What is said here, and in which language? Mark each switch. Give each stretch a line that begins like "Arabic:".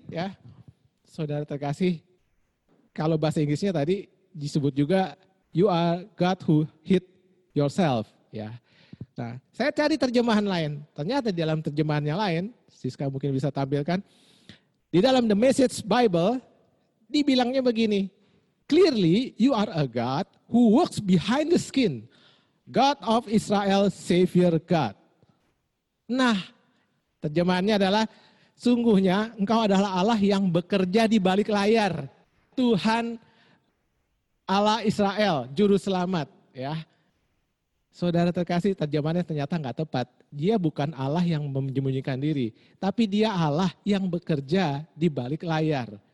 Indonesian: Ya, saudara terkasih, kalau bahasa Inggrisnya tadi disebut juga,
English: you are God who hid yourself,
Indonesian: ya. Nah, saya cari terjemahan lain. Ternyata di dalam terjemahan yang lain, Siska mungkin bisa tampilkan. Di dalam The Message Bible, dibilangnya begini.
English: Clearly, you are a God who works behind the skin. God of Israel, Savior God.
Indonesian: Nah, terjemahannya adalah, sungguhnya engkau adalah Allah yang bekerja di balik layar. Tuhan Allah Israel, Juru Selamat, ya. Saudara terkasih, terjemahannya ternyata enggak tepat. Dia bukan Allah yang menyembunyikan diri, tapi dia Allah yang bekerja di balik layar.